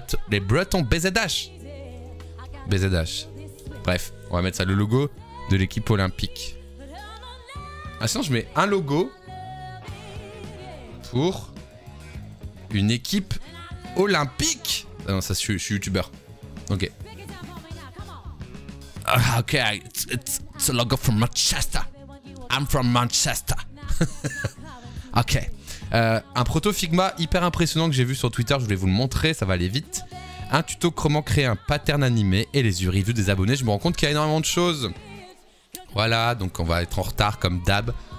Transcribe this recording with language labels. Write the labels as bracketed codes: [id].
[fr] Les Bretons BZH. BZH. Bref, on va mettre ça, le logo de l'équipe olympique. Ah, sinon, je mets un logo pour une équipe olympique. Ah non, ça, je suis youtubeur. Ok. [en] Ok, it's a logo from Manchester. I'm from Manchester. Ok. [fr] Un proto Figma hyper impressionnant que j'ai vu sur Twitter. Je voulais vous le montrer, ça va aller vite. Un tuto comment créer un pattern animé et les reviews des abonnés. Je me rends compte qu'il y a énormément de choses. Voilà, donc on va être en retard comme d'hab.